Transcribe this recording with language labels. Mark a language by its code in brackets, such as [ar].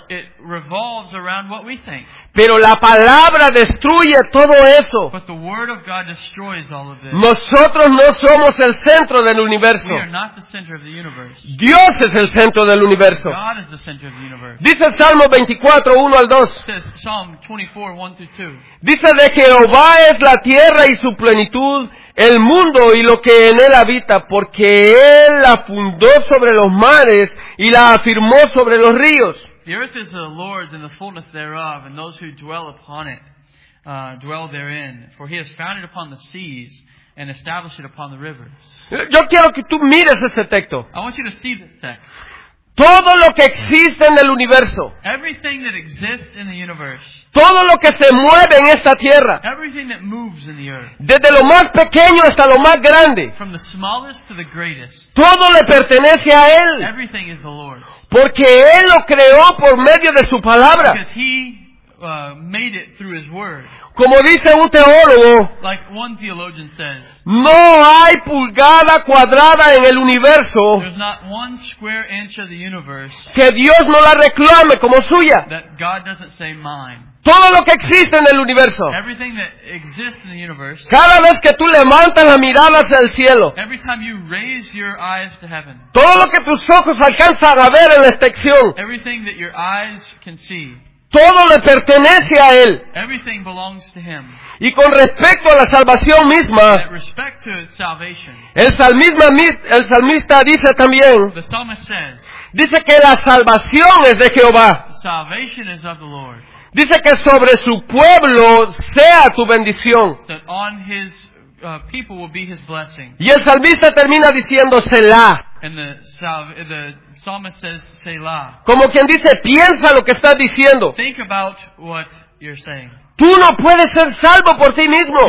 [en] It revolves around what we think. [es] Pero la palabra destruye todo eso. [en] But the word of God destroys all of this. [es] Nosotros no somos el centro del universo. [en] We are not the center of the universe. [es] Dios es el centro del universo. [en] God is the center of the universe. [es] Dice el Salmo 24, 1 al 2. [en] Psalm 24, 1 through 2. [es] Dice, de Jehová es la tierra y su plenitud, el mundo y lo que en él habita, porque él la fundó sobre los mares y la afirmó sobre los ríos. [en] The earth is the Lord's and the fullness thereof, and those who dwell upon it dwell therein. For he has founded upon the seas and established it upon the rivers. [es] Yo quiero que tú mires este texto. [en] I want you to see this text. [es] Todo lo que existe en el universo. [en] Everything that exists in the universe. [es] Todo lo que se mueve en esta tierra. [en] Everything that moves in the earth. [es] Desde lo más pequeño hasta lo más grande. [en] From the smallest to the greatest. [es] Todo le pertenece a Él. [en] Everything is the Lord's. [es] Porque Él lo creó por medio de su palabra. [en] Because He made it through His word. [es] Como dice un teólogo, [en] like one theologian says, [es] no hay pulgada cuadrada en el universo, [en] there's not one square inch of the universe, [es] que Dios no la reclame como suya. [en] That God doesn't say mine. [es] Todo lo que existe en el universo. [en] Everything that exists in the universe. [es] Cada vez que tú levantas la mirada hacia el cielo. [en] Every time you raise your eyes to heaven. [es] Todo lo que tus ojos alcanzan a ver en la extensión. [en] Everything that your eyes can see. [es] Todo le pertenece a Él. [en] Everything belongs to Him. [es] Y con respecto a la salvación misma, [en] respect to salvation, [es] el salmista dice también, [en] the psalmist says, [es] dice que la salvación es de Jehová. [en] Salvation is of the Lord. [es] Dice que sobre su pueblo sea tu bendición. [en] That on his people will be his blessing. [es] Y el salmista termina diciendo Selah. [en] And the psalmist says Selah. [es] Como quien dice, piensa lo que estás diciendo. [en] Think about what you're saying. [es] Tú no puedes ser salvo por ti mismo.